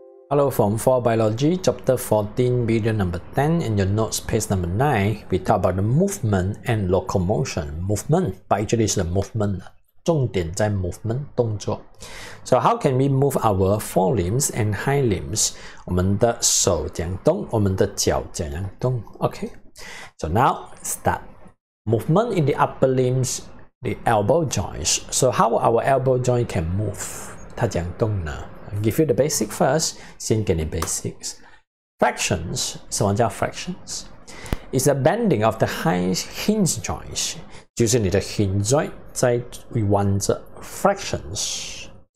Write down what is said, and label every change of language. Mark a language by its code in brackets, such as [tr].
[en] Hello from 4 Biology, Chapter 14, Video Number 10, in your notes, page number 9, we talk about the movement and locomotion. Movement, but actually it's the movement. [zh] 重点在 movement, 动作. [en] So how can we move our forelimbs and hind limbs? [zh] 我们的手怎样动, 我们的脚怎样动? [en] Okay, so now start. Movement in the upper limbs, the elbow joints. So how our elbow joint can move? [zh] 它怎样动呢? [en] Give you the basic first, [zh] 先给你 basics. [en] Flexions, [zh] 什么叫 flexions? [en] It's a bending of the hinge joints, [zh] 就是你的 hinge joint 在弯着 flexions.